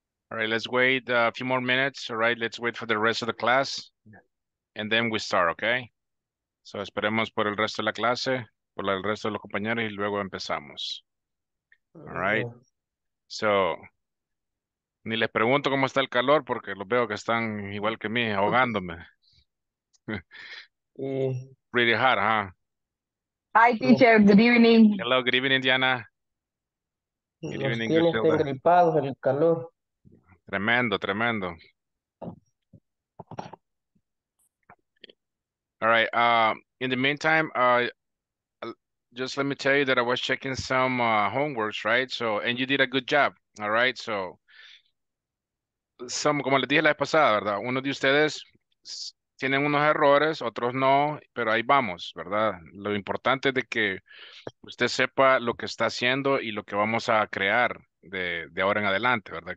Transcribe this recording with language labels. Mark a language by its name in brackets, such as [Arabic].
[English] All right, let's wait a few more minutes. All right, let's wait for the rest of the class and then we start, okay? [Spanish] So esperemos por el resto de la clase, por el resto de los compañeros y luego empezamos. [English] All right. So. [Spanish] Ni les pregunto cómo está el calor porque los veo que están igual que mí, ahogándome. [English] Pretty hot, huh? Hi, teacher. Good evening. Hello, good evening, Diana. Good [Spanish] Los [English] evening, [Spanish] tienes [English] Griselda. [Spanish] engripados en el calor. Tremendo, tremendo. [English] Right, in the meantime, just let me tell you that I was checking some homeworks, right? So, and you did a good job, all right? [Spanish] So, como les dije la vez pasada, ¿verdad? Unos de ustedes tienen unos errores, otros no, pero ahí vamos, ¿verdad? Lo importante es de que usted sepa lo que está haciendo y lo que vamos a crear de ahora en adelante, ¿verdad?